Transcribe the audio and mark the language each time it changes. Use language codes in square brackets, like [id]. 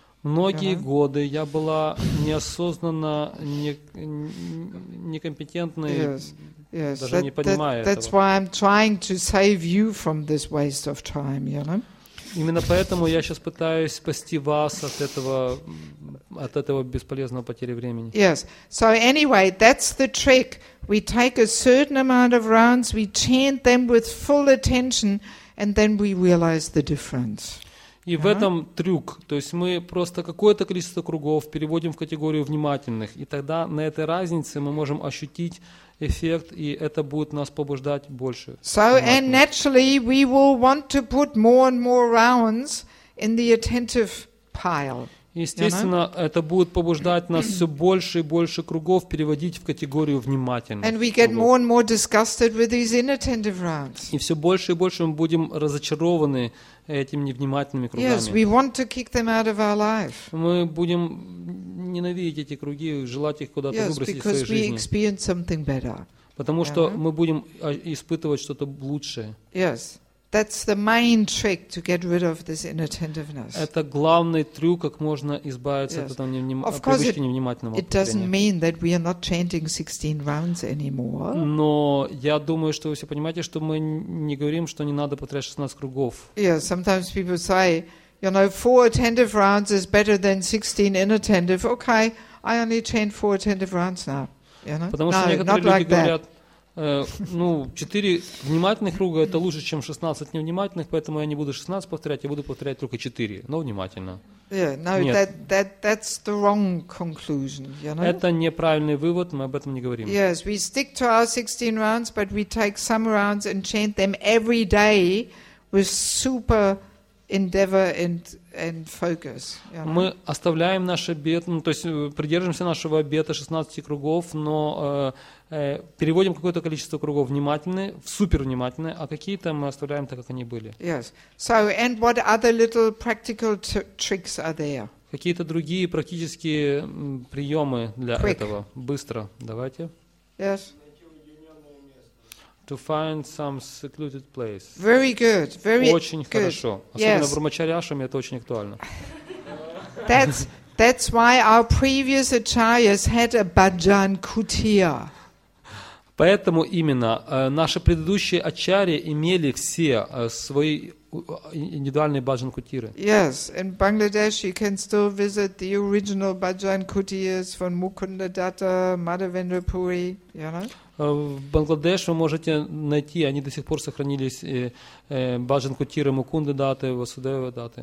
[ru] Многие годы я была неосознанно некомпетентной, даже не понимая этого. [en] That's why I'm trying to save you from this waste of time, you know? [ru] Именно поэтому я сейчас пытаюсь спасти вас от этого бесполезного потери времени. [en] Yes. So anyway, that's the trick. We take a certain amount of rounds, we chant them with full attention, and then we realize the difference. [ru] И в этом трюк. То есть мы просто какое-то количество кругов переводим в категорию внимательных, и тогда на этой разнице мы можем ощутить эффект, и это будет нас побуждать больше. [en] So and naturally we will want to put more and more rounds in the attentive pile. [ru] Естественно, [en] you know? [ru] Это будет побуждать нас все больше и больше кругов переводить в категорию внимательных. [en] And we get more and more disgusted with these inattentive rounds. [ru] И все больше и больше мы будем разочарованы этими невнимательными кругами. [en] Yes, we want to kick them out of our life. [ru] Мы будем ненавидеть эти круги, желать их куда-то [en] yes, [ru] выбросить [en] because [ru] из своей [en] we Experience something better. [ru] Потому что мы будем испытывать что-то лучшее. Yes. [en] That's the main trick to get rid of this inattentiveness. [ru] Это главный трюк, как можно избавиться от этого привычки невнимательного. [en] It doesn't mean that we are not chanting 16 rounds anymore. [ru] Но я думаю, что вы все понимаете, что мы не говорим, что не надо повторять 16 кругов. [en] Yeah, sometimes people say, you know, 4 attentive rounds is better than 16 inattentive. Okay, I only chant 4 attentive rounds now. You know? [ru] Потому что некоторые люди говорят, 4 внимательных круга это лучше, чем 16 невнимательных, поэтому я не буду 16 повторять, я буду повторять только 4, но внимательно. [en] That's the wrong conclusion, you know? [ru] Это неправильный вывод, мы об этом не говорим. [en] Yes, we stick to our 16 rounds, but we take some rounds and chant them every day with super endeavor and focus. You know? [ru] Мы оставляем наш обет, то есть придерживаемся нашего обета 16 кругов, но переводим какое-то количество кругов внимательные, в супер внимательные, а какие-то мы оставляем так, как они были. [en] Yes. So, and what other little practical tricks are there? [ru] Какие-то другие практические приемы для [en] Quick. [ru] Этого? Быстро, давайте. [en] Yes. To find some secluded place. Very good. Very [ru] очень [en] good. [ru] Хорошо. Особенно в Брахмачари Ашраме это очень актуально. [en] That's why our previous acharyas had a bhajan kutia. [ru] Поэтому именно наши предыдущие ачарьи имели все свои индивидуальные баджан кутиры. [en] Yes, in Bangladesh you can still visit the original bhajan kutiyas from Mukunda Datta, Madhavendra Puri, you know? [ru] В Бангладеш вы можете найти, они до сих пор сохранились, баджан кутиры Мукунда Датты, Васудева Датты.